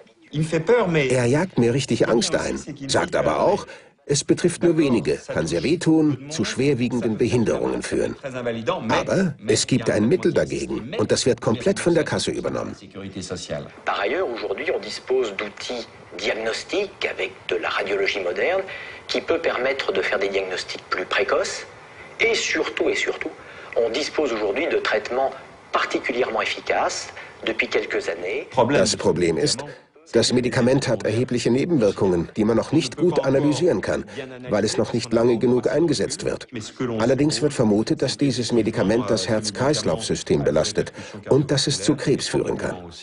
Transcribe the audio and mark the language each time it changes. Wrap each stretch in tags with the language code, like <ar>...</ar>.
<de>Er jagt mir richtig Angst ein, sagt aber auch, es betrifft nur wenige, kann sehr wehtun, zu schwerwiegenden Behinderungen führen. Aber es gibt ein Mittel dagegen und das wird komplett von der Kasse übernommen.</de> <fr>Par ailleurs, aujourd'hui, on dispose d'outils diagnostiques avec de la radiologie moderne qui peut permettre de faire des diagnostics plus précoces et surtout, on dispose aujourd'hui de traitements particulièrement efficaces depuis quelques années.</fr> <de>Das Problem ist, das Medikament hat erhebliche Nebenwirkungen, die man noch nicht gut analysieren kann, weil es noch nicht lange genug eingesetzt wird. Allerdings wird vermutet, dass dieses Medikament das Herz-Kreislauf-System belastet und dass es zu Krebs führen kann.</de>